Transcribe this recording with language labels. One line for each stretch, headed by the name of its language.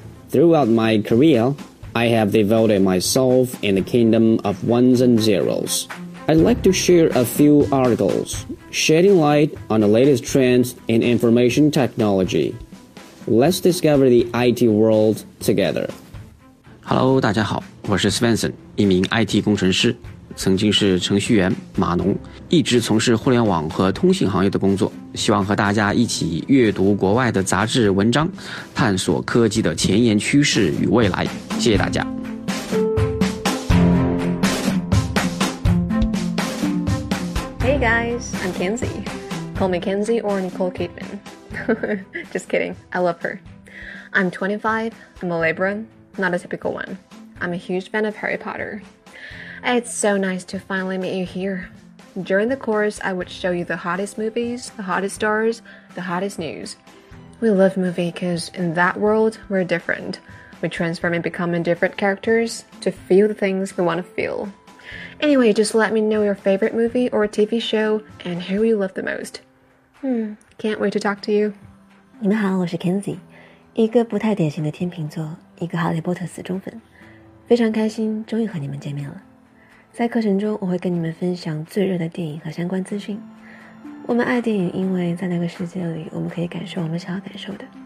English: Throughout my career, I have devoted myself in the kingdom of ones and zeros. I'd like to share a few articles. Shedding light on the latest trends in information technology. Let's discover the IT world together.
Chinese: Hello, 大家好，我是 Svensson, 一名 IT 工程师，曾经是程序员、码农，一直从事互联网和通信行业的工作，希望和大家一起阅读国外的杂志文章，探索科技的前沿趋势与未来。谢谢大家。
English: Hey guys, I'm Kenzie. Call me Kenzie or Nicole Kidman. Just kidding, I love her. I'm 25, I'm a Libra, not a typical one. I'm a huge fan of Harry Potter. It's so nice to finally meet you here. During the course, I would show you the hottest movies, the hottest stars, the hottest news. We love movie because in that world, we're different. We transform and become in different characters to feel the things we want to feel. Anyway, just let me know your favorite movie or TV show and who you love the most. Can't wait to talk to you.
Chinese: 你们好，我是 Kenzie, 一个不太典型的天秤座，一个哈利波特死忠粉。非常开心终于和你们见面了。在课程中我会跟你们分享最热的电影和相关资讯。我们爱电影，因为在那个世界里我们可以感受我们想要感受的。